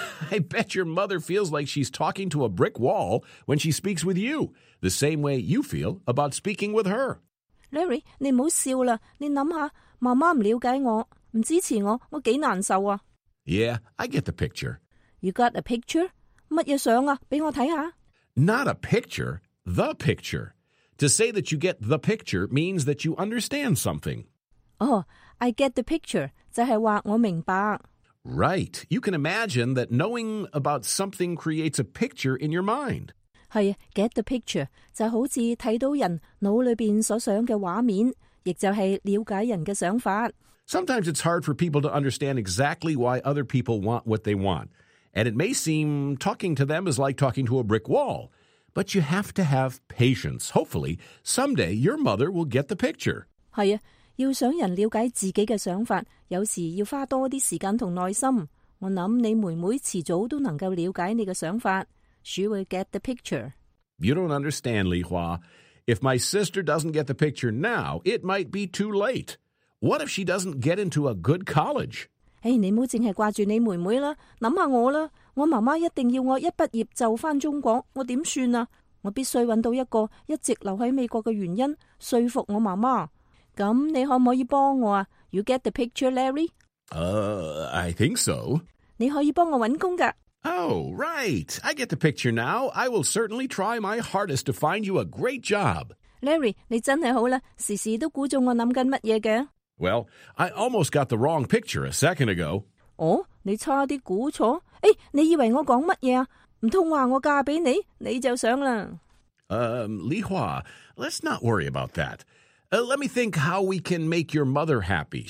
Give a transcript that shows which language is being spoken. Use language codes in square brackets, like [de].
[en] I bet your mother feels like she's talking to a brick wall when she speaks with you, the same way you feel about speaking with her. [yue] Larry, 你唔好笑啦！你谂下，妈妈唔了解我，唔支持我，我几难受啊！ [en] Yeah, I get the picture. You got a picture? [yue] 乜嘢相啊？俾我睇下。 [en] Not a picture, the picture. To say that you get the picture means that you understand something. Oh, I get the picture. [yue] 就是说我明白。 [en] Right. You can imagine that knowing about something creates a picture in your mind. [yue] 是 [en] get the picture. [yue] 就好像看到人脑里面所想的画面，也就是了解人的想法。 [en] Sometimes it's hard for people to understand exactly why other people want what they want. And it may seem talking to them is like talking to a brick wall. But you have to have patience. Hopefully, someday your mother will get the picture. [yue] 是啊，要想人了解自己的想法，有时要花多啲时间同耐心。我想你妹妹迟早都能够了解你的想法。 [en] She will get the picture. You don't understand, Li Hua. If my sister doesn't get the picture now, it might be too late. What if she doesn't get into a good college? [yue] 你唔好净系挂住你妹妹啦，谂下我啦。我妈妈一定要我一毕业就翻中国，我点算啊？我必须揾到一个一直留喺美国嘅原因，说服我妈妈。咁你可唔可以帮我啊 ？ [en] You get the picture, Larry? I think so. [yue] 你可以帮我揾工噶。 [en] Oh, right. I get the picture now. I will certainly try my hardest to find you a great job. [yue] Larry, 你真系好啦，时时都估中我谂紧乜嘢嘅。 [en] Well, I almost got the wrong picture a second ago. [yue] 哦，你差啲估错。诶，你以为我讲乜嘢啊？唔通话我嫁俾你，你就想啦。 [en] Li Hua, let's not worry about that. Let me think how we can make your mother happy.